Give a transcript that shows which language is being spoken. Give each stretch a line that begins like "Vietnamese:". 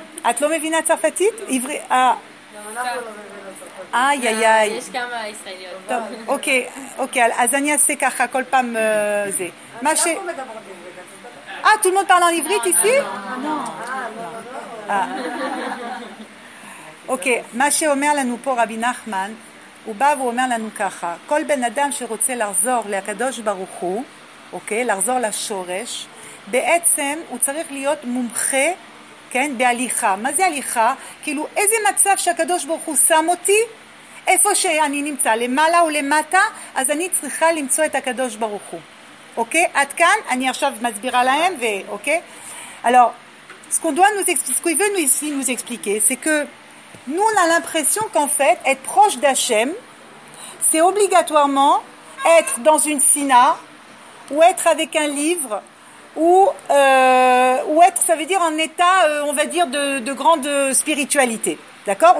Hebrew: את לא מבינה צרפתית? עברית? איי, איי, איי. יש כמה ישראליות. טוב, אוקיי, אוקיי. אז אני אעשה ככה כל פעם זה. מה ש... אה,
French: tout le monde parle en עברית ici?
Hebrew: אוקיי, מה שאומר לנו פה רבי נחמן, הוא בא ואומר לנו ככה, כל בן אדם שרוצה לחזור להקדוש ברוך הוא, אוקיי, לחזור לשורש, בעצם הוא צריך להיות מומחה, כן, בהליכה. מה זה הליכה? כאילו, איזה מצב שהקדוש ברוך הוא שם אותי, איפה שאני נמצא, למעלה או למטה, אז אני צריכה למצוא את הקדוש ברוך הוא. אוקיי? עד כאן, אני עכשיו מסבירה להם, ואוקיי?
French: Alors, ce qu'on doit nous expliquer, ce qu'il veut nous ici nous expliquer, c'est que nous, on a l'impression qu'en fait, être proche d'Hachem, c'est obligatoirement être dans une sina, ou être avec un livre, ou être, ça veut dire, en état, on va dire, de grande spiritualité. D'accord?